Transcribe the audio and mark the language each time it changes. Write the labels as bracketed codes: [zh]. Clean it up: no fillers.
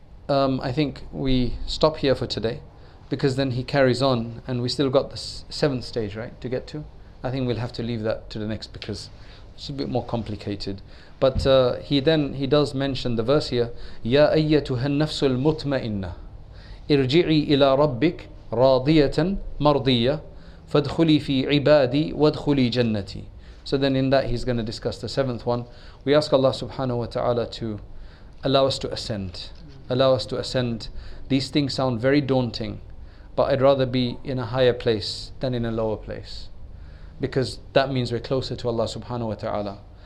[en] I think we stop here for today, because then he carries on and we still got the seventh stage, right, to get to. I think we'll have to leave that to the next, because it's a bit more complicated. But he does mention the verse here, [ar] يَا أَيَّتُهَا النَّفْسُ الْمُطْمَئِنَّةِ ارْجِعِي إِلَىٰ رَبِّكْ رَاضِيَةً مَرْضِيَّةً فَادْخُلِي فِي عِبَادِي وَادْخُلِي جَنَّتِي. [en] So then in that he's going to discuss the seventh one. We ask Allah subhanahu wa ta'ala to allow us to ascend. Allow us to ascend. These things sound very daunting, but I'd rather be in a higher place than in a lower place, because that means we're closer to Allah subhanahu wa ta'ala.